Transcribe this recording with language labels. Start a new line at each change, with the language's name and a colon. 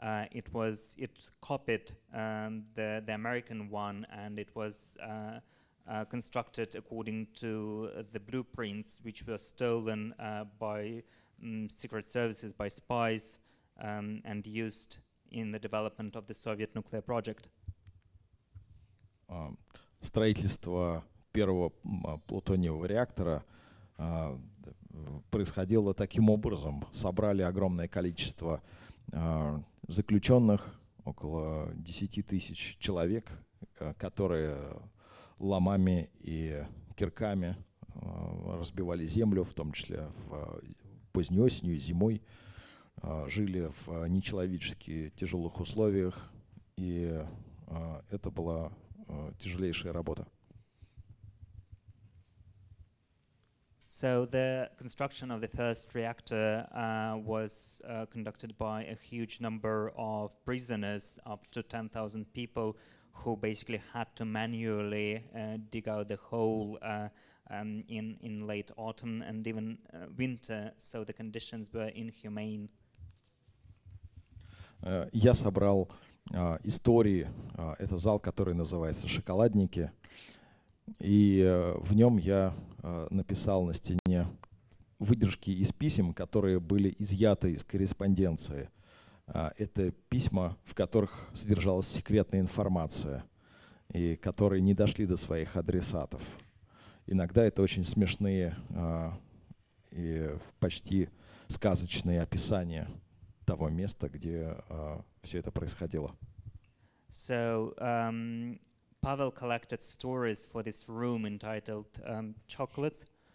English: It copied the American one, and it was constructed according to the blueprints, which were stolen by secret services, by spies. And used in the development of the Soviet nuclear project.
Russian: Строительство первого плутониевого реактора происходило таким образом. Собрали огромное количество заключенных, около 10 тысяч человек, которые ломами и кирками разбивали землю, в том числе в поздней осенью, зимой. Жили в нечеловечески тяжелых условиях, и это была тяжелейшая работа. So the construction of the first reactor was conducted by a huge number of prisoners, up to 10,000 people, who basically had to manually dig out the hole in late autumn and even winter, so the conditions were inhumane. Я собрал истории, это зал, который называется «Шоколадники», и в нем я написал на стене выдержки из писем, которые были изъяты из корреспонденции. Это письма, в которых содержалась секретная информация, и которые не дошли до своих адресатов. Иногда это очень смешные и почти сказочные описания. Того места, где все это происходило.
English: So, Pavel collected stories for this room entitled Chocolates.